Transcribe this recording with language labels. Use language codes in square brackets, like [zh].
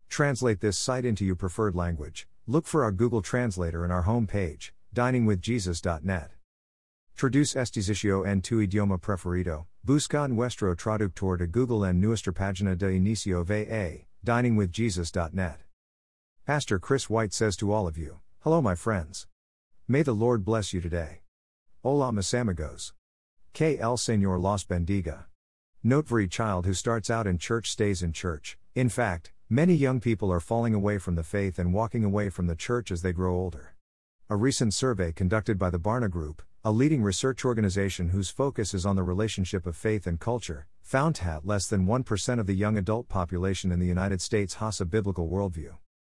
[en] Translate this site into your preferred language. Look for our Google Translator in our homepage, diningwithjesus.net. [es] Traduce este sitio en tu idioma preferido. Busca nuestro traductor de Google en nuestra página de inicio VA, diningwithjesus.net. [en] Pastor Chris White says to all of you, hello my friends. May the Lord bless you today. [es] Hola mis amigos. Que el Señor los bendiga. [en] Note every child who starts out in church stays in church. In fact, many young people are falling away from the faith and walking away from the church as they grow older. A recent survey conducted by the Barna Group, a leading research organization whose focus is on the relationship of faith and culture, found that less than 1% of the young adult population in the United States has a biblical worldview.